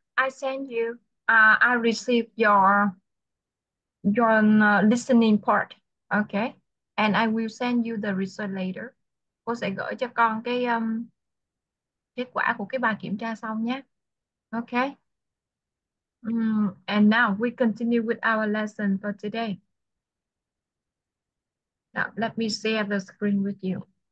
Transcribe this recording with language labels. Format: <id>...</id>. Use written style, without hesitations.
<en>I send you I receive your listening part. Okay. And I will send you the result later.</en> <vi>Cô sẽ gửi cho con cái kết quả của cái bài kiểm tra xong nhé.</vi> <en>Okay. And now we continue with our lesson for today. Now, let me share the screen with you.</en>